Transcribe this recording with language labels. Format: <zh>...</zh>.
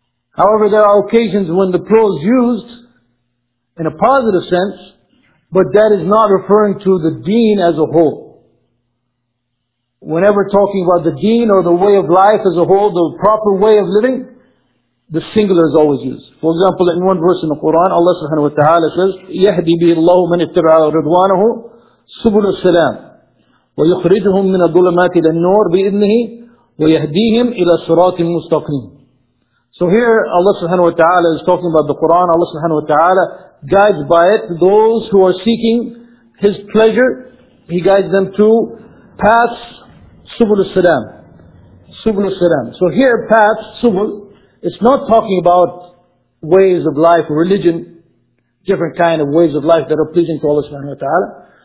<en>However, there are occasions when the plural is used in a positive sense, but that is not referring to the deen as a whole. Whenever talking about the deen or the way of life as a whole, the proper way of living, the singular is always used. For example, in one verse in the Quran, Allah subhanahu wa ta'ala says,</en> <ar>يَهْدِي بِهِ اللَّهُ مَنِ اتَّبْعَ رِضْوَانَهُ سُبُلُ السَّلَامِ وَيُخْرِجُهُمْ مِنَ الظُّلَمَاتِ إِلَى النُّورِ بِإِذْنِهِ وَيَهْدِيهِمْ إِلَى صِرَاطٍ مُسْتَقِيمٍ.</ar> <en>So here Allah subhanahu wa ta'ala is talking about the Quran. Allah subhanahu wa ta'ala guides by it those who are seeking His pleasure. He guides them to paths, subul as-salam. Subul as-salam. So here paths, subul, it's not talking about ways of life, religion, different kind of ways of life that are pleasing to Allah subhanahu wa ta'ala.</en>